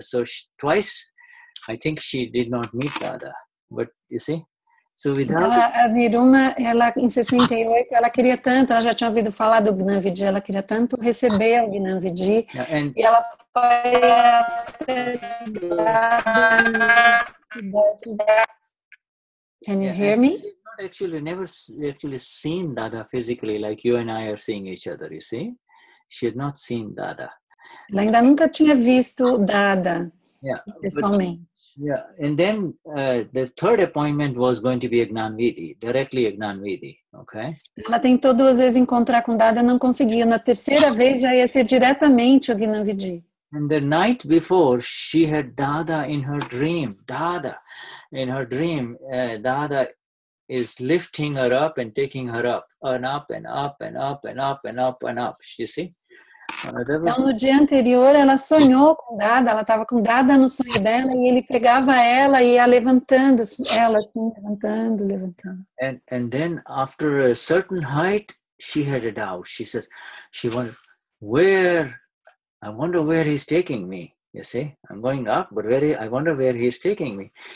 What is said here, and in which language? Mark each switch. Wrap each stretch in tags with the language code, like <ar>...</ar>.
<en>So twice, I think she did not meet Dada, but you see. So</en> <pt>a Niruma, ela, em 68, ela queria tanto, ela já tinha ouvido falar do Gnan Vidhi, ela queria tanto receber o Gnan Vidhi, e ela foi até lá na cidade da...</pt> <en>Can you hear me? She's not actually, never actually seen Dada physically, like you and I are seeing each other, you see? She had not seen Dada.</en> <pt>Ela ainda nunca tinha visto Dada, pessoalmente.</pt> <en>But... Yeah, and then the third appointment was going to be a Gnan Vidhi, directly a Gnan Vidhi, okay?</en> <pt>Ela tentou duas vezes encontrar com Dada, não conseguiu. Na terceira vez já ia ser diretamente o Gnan Vidhi.</pt> <en>And the night before, she had Dada in her dream. Dada, in her dream, Dada is lifting her up and taking her up, and up and up and up and up and up and up, you see?</en> <pt>Então, no dia anterior, ela sonhou com Dada, ela estava com Dada no sonho dela, e ele pegava ela e ia levantando, ela assim, levantando, levantando.</pt> <en>And then, after a certain height, she had a doubt. She says, she wondered, I wonder where he's taking me, you see? I'm going up, but I wonder where he's taking me.</en>